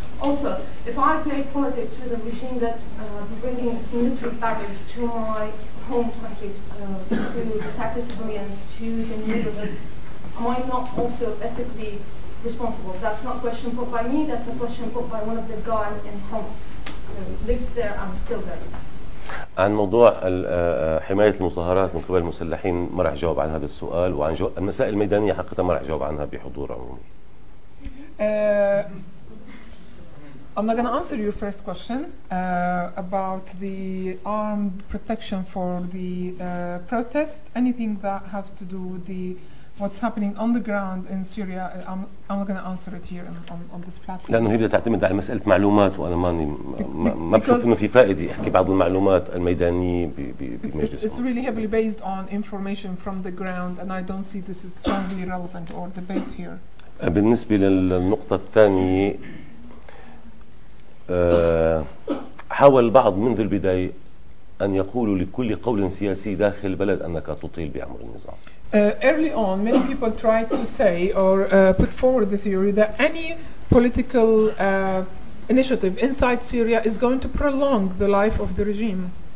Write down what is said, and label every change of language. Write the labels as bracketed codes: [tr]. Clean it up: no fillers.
[en] Also, if I played politics with a machine that's bringing its military baggage to my home countries to attack the civilians, to the neighborhoods, am I not also ethically responsible? That's not a question put by me, that's a question put by one of the guys in Homs who lives there and is still there. [ar] عن موضوع حماية المظاهرات من قبل المسلحين ما رح جاوب عن هذا السؤال وعن المسائل الميدانية حقيقة ما رح جاوب عنها بحضور عمومي. [en] I'm not going to answer your first question about the armed protection for the protest. Anything that has to do with the what's happening on the ground in Syria, I'm not going to answer it here on this platform. [ar] لأنه هي بدها تعتمد على مسألة معلومات وأنا ماني ما بشوف إنه في فائدة أحكي بعض المعلومات الميدانية بمجلس. [en] It's really heavily based on information from the ground, and I don't see this is strongly relevant or debate here. [ar] بالنسبة للنقطة الثانية, حاول البعض منذ البداية أن يقولوا لكل قول سياسي داخل البلد أنك تطيل بعمر النظام. [en] Early on, many people tried to say or put forward the theory that any political initiative inside Syria is going to prolong the life of the regime.